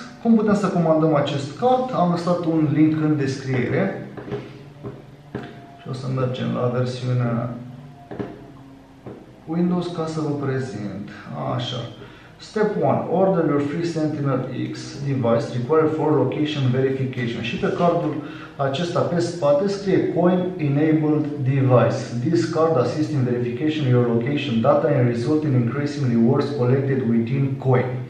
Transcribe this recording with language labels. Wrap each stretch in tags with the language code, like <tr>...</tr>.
<ro>Cum putem să comandăm acest card? Am lăsat un link în descriere. O să mergem la versiunea Windows ca să vă prezint. Așa.</ro> <en>Step 1. Order your free Sentinel X device required for location verification.</en> <ro>Și pe cardul acesta pe spate scrie</ro> <en>COIN enabled device. This card assists in verification your location data and result in increasing rewards collected within COIN.</en>